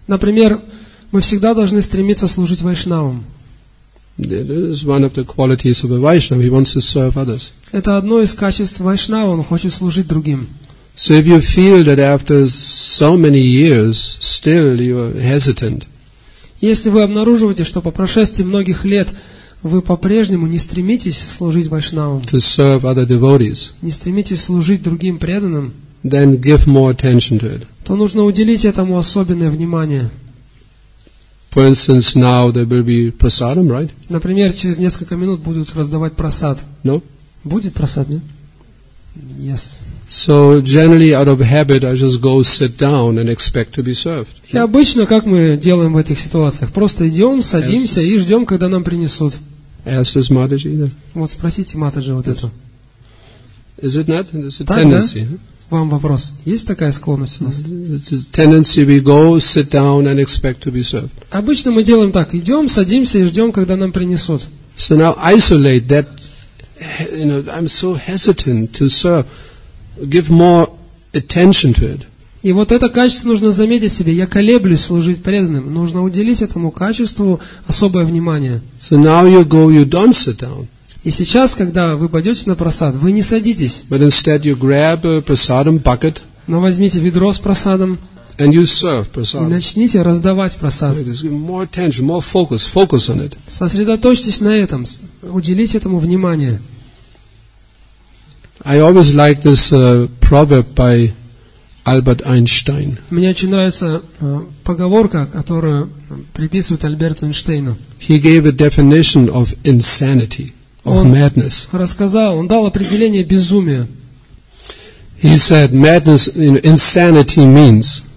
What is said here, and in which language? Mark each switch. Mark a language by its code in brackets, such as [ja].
[ru] Например, мы всегда должны стремиться служить Вайшнавам. [en] That is one of the qualities of a Vaishnava. He wants to serve others. [ru] Это одно из качеств Вайшнава, он хочет служить другим. [en] So if you feel that after so many years, still you are hesitant. [ru] Если вы обнаруживаете, что по прошествии многих лет вы по-прежнему не стремитесь служить Вайшнавам, [en] to serve other devotees, [ru] не стремитесь служить другим преданным, [en] then give more attention to it. [ru] То нужно уделить этому особенное внимание. [en] For instance, now there will be prasadam, right? [ru] Например, через несколько минут будут раздавать прасад. [en] No? [ru] Будет прасад, нет? Yes. [en] So generally, out of habit, I just go sit down and expect to be served. [ru] И обычно, как мы делаем в этих ситуациях, просто идем, садимся и ждем, когда нам принесут. [en] As is Mataji, да? [ru] Вот спросите Матаджи вот это. [en] Is it not? It's a tendency. [ru] Вам вопрос. Есть такая склонность у нас? [en] It's a tendency we go, sit down and expect to be served. [ru] Обычно мы делаем так. Идем, садимся и ждем, когда нам принесут. [en] So now isolate that, you know, I'm so hesitant to serve. Give more attention to it. [ru] И вот это качество нужно заметить себе. Я колеблюсь служить преданным. Нужно уделить этому качеству особое внимание. [en] So now you go, you don't sit down. [ru] И сейчас, когда вы пойдете на прасад, вы не садитесь. [en] But instead you grab a prasadam bucket. [ru] Но возьмите ведро с прасадом. [en] And you serve prasadam. [ru] И начните раздавать прасад. [en] More attention, more focus, focus on it. [ru] Сосредоточьтесь на этом. Уделите этому внимание. [en] I always like this proverb by Albert Einstein. [ru] Мне очень нравится поговорка, которую приписывают Альберту Эйнштейну. [en] He gave a definition of insanity, of madness. [ru] Он рассказал, он дал определение безумия. [en] He said madness, you know, insanity means.